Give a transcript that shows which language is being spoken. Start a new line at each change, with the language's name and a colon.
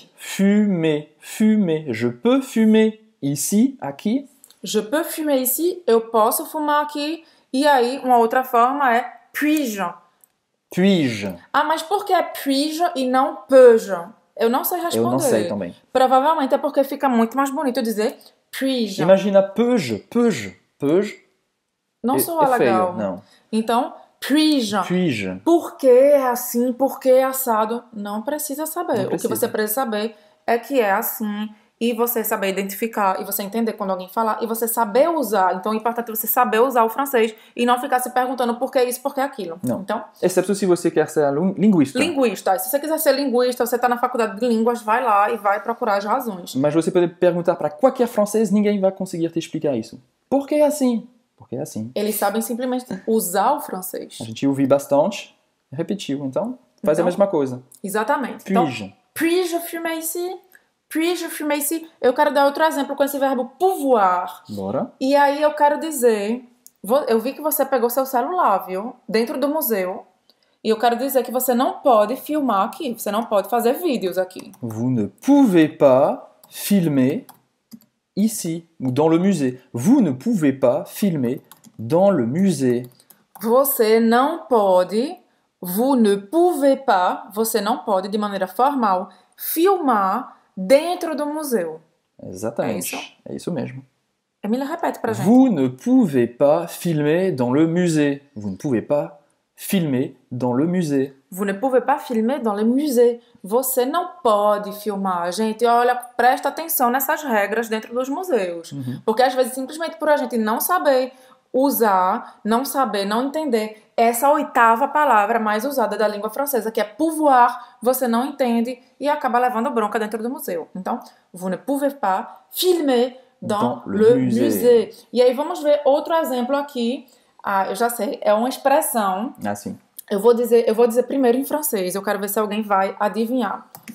French: Fumer. Fumer. Je peux fumer ici, aqui. Je peux fumer ici.
Portuguese: Eu posso fumar aqui. E aí, uma outra forma é puis-je.
French: Puis-je.
Portuguese: Ah, mas por que é puis-je e não peux-je? Eu não sei responder. Eu não sei também. Provavelmente é porque fica muito mais bonito dizer...
French: Puis-je.
Portuguese: Imagina
French: peux-je, peux-je, peux-je.
Portuguese: Não sou legal. Feio, não. Então, puis-je.
French: Puis-je.
Portuguese: Por que é assim, por que é assado? Não precisa saber. Não precisa. O que você precisa saber é que é assim. E você saber identificar, e você entender quando alguém falar, e você saber usar. Então, é importante você saber usar o francês e não ficar se perguntando por que isso, por que aquilo. Não. Então, exceto se você quer ser linguista. Linguista. Se você quiser ser linguista, você está na faculdade de línguas, vai lá e vai procurar as razões. Mas você pode perguntar para qualquer francês, ninguém vai conseguir te explicar isso. Por que é assim? Por que é assim? Eles sabem simplesmente usar o francês. A gente ouviu bastante, repetiu. Então, faz então, a mesma coisa. Exatamente.
French: Puis-je. Então, puis-je fumer ici? Puis-je fumer ici?
Portuguese: Eu quero dar outro exemplo com esse verbo pouvoir. Bora. E aí eu quero dizer... Eu vi que você pegou seu celular, viu? Dentro do museu. E eu quero dizer que você não pode filmar aqui. Você não pode fazer vídeos aqui.
French: Vous ne pouvez pas filmer ici. Dans le musée. Vous ne pouvez pas filmer dans le musée.
Portuguese: Você não pode...
French: Vous ne pouvez pas...
Portuguese: Você não pode, de maneira formal, filmar... Dentro do museu. Exatamente. É isso, é isso mesmo. Emília, repete pra gente.
French: Vous ne pouvez pas filmer dans le musée. Vous ne pouvez pas filmer dans le musée. Vous ne pouvez pas filmer dans le musée.
Portuguese: Você não pode filmar. Gente, olha, presta atenção nessas regras dentro dos museus. Uhum. Porque às vezes, simplesmente por a gente não saber usar, não saber, não entender essa oitava palavra mais usada da língua francesa, que é pouvoir, você não entende e acaba levando bronca dentro do museu.
French: Então, vous ne pouvez pas filmer dans Dans le le musée. musée.
Portuguese: E aí vamos ver outro exemplo aqui. Ah, eu já sei, é uma expressão. Ah, sim. Eu vou dizer primeiro em francês. Eu quero ver se alguém vai adivinhar.